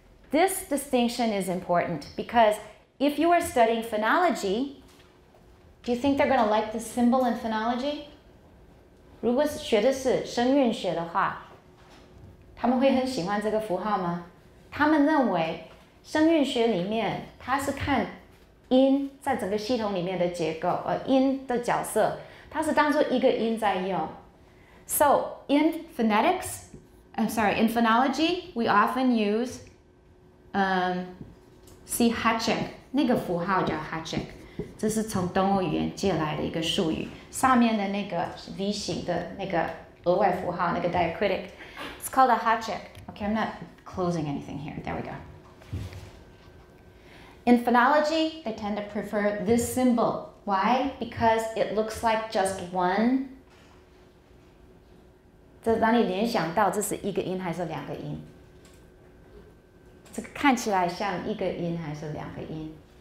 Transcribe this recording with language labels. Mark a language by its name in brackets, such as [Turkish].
[English] This distinction is important because if you are studying phonology,Do you think they're going to like the symbol in phonology? [Chinese] 如果学的是声韵学的话，他们会很喜欢这个符号吗？他们认为声韵学里面，它是看音在整个系统里面的结构，音的角色，它是当作一个音在用。 [English] So, in phonology, we often use, see hatching, [Chinese] 那个符号叫 [English] hatching. [Chinese] 这是从东欧语言借来的一个术语，上面的那个 V 型的那个额外符号，那个 diacritic， [English] it's called a hatchet. Okay, I'm not closing anything here. There we go. In phonology, they tend to prefer this symbol. Why? Because it looks like just one. [Chinese] 这让你联想到这是一个音还是两个音？这个看起来像一个音还是两个音？